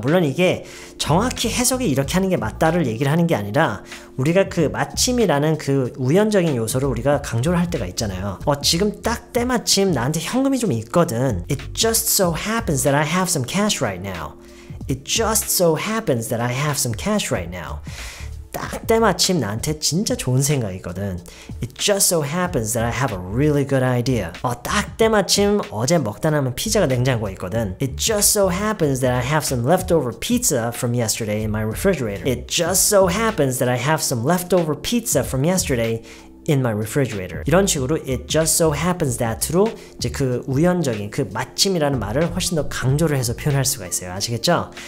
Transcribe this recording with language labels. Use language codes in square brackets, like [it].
[ko] 물론 이게 정확히 해석이 이렇게 하는 게 맞다를 얘기를 하는 게 아니라 우리가 그 마침이라는 그 우연적인 요소를 우리가 강조를 할 때가 있잖아요. 지금 딱 때마침 나한테 현금이 좀 있거든. [en] It just so happens that I have some cash right now. It just so happens that I have some cash right now. [ko] 딱 때마침 나한테 진짜 좋은 생각이거든. [en] It just so happens that I have a really good idea. [ko] 딱 때마침 어제 먹다 남은 피자가 냉장고에 있거든. [en] It just so happens that I have some leftover pizza from yesterday in my refrigerator. It just so happens that I have some leftover pizza from yesterday in my refrigerator. [ko] 이런 식으로 [en] it just so happens that [ko] 로 이제 그 우연적인 그 마침이라는 말을 훨씬 더 강조를 해서 표현할 수가 있어요. 아시겠죠?